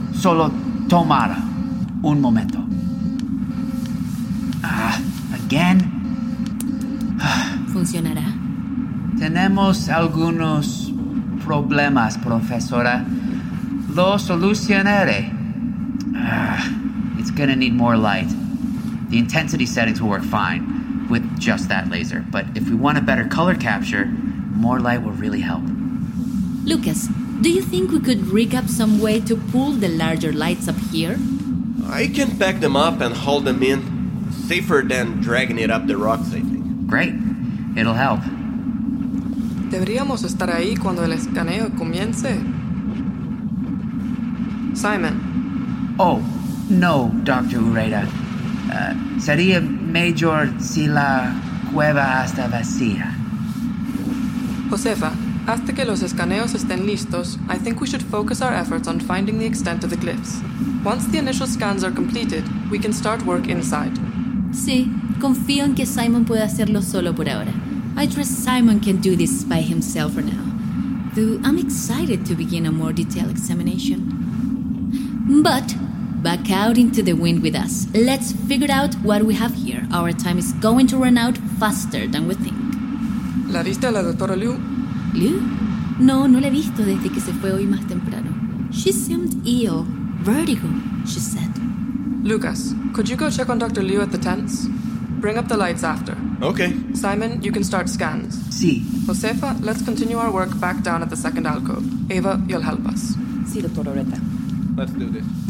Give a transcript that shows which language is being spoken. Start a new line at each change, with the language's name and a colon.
Spanish: Solo tomara un momento.
English: Again.
Spanish: Funcionará. Tenemos algunos problemas, profesora. Lo solucionaré.
English: It's gonna need more light. The intensity settings will work fine with just that laser. But if we want a better color capture, more light will really help. Lucas, do you think we could rig up some way to pull the larger lights up here? I can pack them up and haul them in. Safer than dragging it up the rocks, I think. Great. It'll help.
Spanish: Deberíamos estar ahí cuando el escaneo comience.
English: Simon. Oh, no, Dr. Ureta.
Spanish: Sería mejor si la cueva está vacía.
English: Josefa,
Spanish: hasta que los escaneos estén listos,
English: I think we should focus our efforts on finding the extent of the glyphs. Once the initial scans are completed, we can start work inside.
Spanish: Sí, confío en que Simon pueda hacerlo solo por ahora.
English: I trust Simon can do this by himself for now. Though I'm excited to begin a more detailed examination. But back out into the wind with us. Let's figure out what we have here. Our time is going to run out faster than we think.
Spanish: ¿La viste a la doctora Liu? Liu? No, no la he visto desde que se fue hoy más temprano.
English: She seemed ill. Vertigo, she said. Lucas, could you go check on Dr. Liu at the tents? Bring up the lights after. Okay. Simon, you can start scans.
Spanish: Sí.
English: Josefa, let's continue our work back down at the second alcove. Eva, you'll help us.
Spanish: Sí, Dr. Oreta.
English: Let's do this.